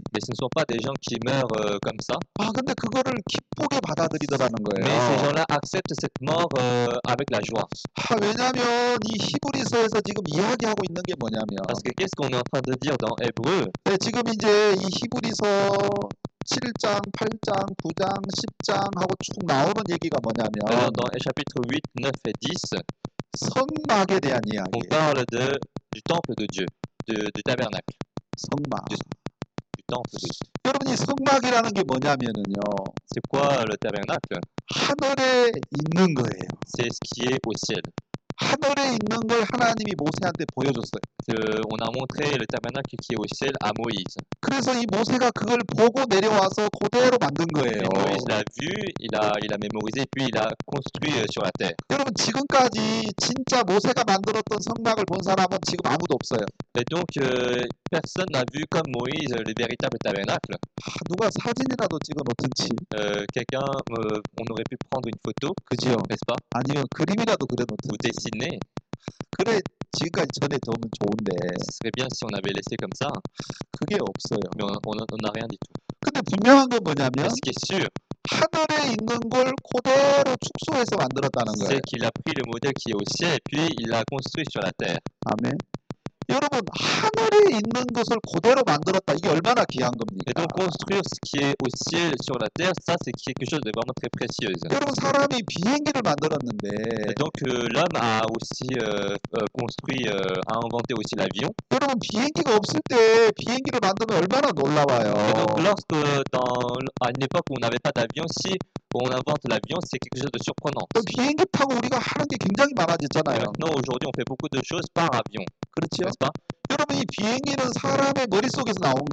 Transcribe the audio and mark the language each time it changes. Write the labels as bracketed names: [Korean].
[French] Mais ce ne sont pas des gens qui meurent comme ça. [Korean] 근데 그거를 기쁘게 받아들이더라는 [French] Mais ces [Korean] 거예요. [French] gens-là acceptent cette mort avec la joie. [Korean] 왜냐하면 이 히브리서에서 지금 이야기하고 있는 게 뭐냐면 [French] Parce que qu'est-ce qu'on est en train de dire dans Hébreu? [Korean] 지금 이제 이 히브리서 7장, 8장, 9장, 10장 하고 쭉 나오는 얘기가 뭐냐면 [French] Alors dans chapitre 8, 9 et 10, [Korean] 성막에 대한 [French] on [Korean] 이야기예요. [French] parle du temple de Dieu. Du tabernacle. [Korean] 성막. 여러분이 성막이라는 게 뭐냐면은요. [French] C'est quoi le tabernacle? [Korean] 하늘에 있는 거예요. [French] C'est ce qui est au ciel. [Korean] 하늘에 있는 걸 하나님이 모세한테 보여줬어요. [French] On a montré le tabernacle qui est au ciel à Moïse. [Korean] 그래서 이 모세가 그걸 보고 내려와서 그대로 만든 거예요. [French] Moïse l'a vu, il a mémorisé, puis il a construit sur la terre. [Korean] 여러분 지금까지 진짜 모세가 만들었던 성막을 본 사람은 지금 아무도 없어요. [French] Et donc, personne n'a vu comme Moïse le véritable tabernacle. [Korean] 누가 사진이라도 찍어놓든지. [French] Quelqu'un, on aurait pu prendre une photo, [Korean] 그지요? [French] n'est-ce pas? [Korean] 아니면 그림이라도 그려놓든지. [French] dessiner. [Korean] 그래, 지금까지 전해두면 좋은데. [French] Ce serait bien si on avait laissé comme ça. [Korean] 그게 없어요. [French] Mais on n'a rien du tout. [Korean] 근데 분명한 건 뭐냐면, 하늘에 sûr, 있는 걸 그대로 축소해서 만들었다는 [French] c'est qu'il a pris le modèle qui est au ciel et puis il l'a construit sur la terre. [Korean] 아멘. 여러분, 하늘에 있는 것을 그대로 만들었다. 이게 얼마나 귀한 [French] Et donc, [Korean] 겁니까? [French] construire ce qui est au ciel sur la terre, ça, c'est quelque chose de vraiment très précieux. [Korean] 여러분, 사람이 비행기를 만들었는데, [French] donc, l'homme a aussi construit, a inventé aussi l'avion. [Korean] 여러분, 비행기가 없을 때 비행기를 만들면 얼마나 [French] Et donc, [Korean] 놀라워요. [French] lorsque, à une époque où on n'avait pas d'avion, si on invente l'avion, c'est quelque chose de surprenant. [Korean] 비행기 타고 우리가 하는 게 굉장히 많아졌잖아요. [French] maintenant, aujourd'hui, on fait beaucoup de choses par avion, [Korean] 그렇죠? [French] n'est-ce pas? [Korean] 여러분, 이 비행기는 사람의 머릿속에서 나온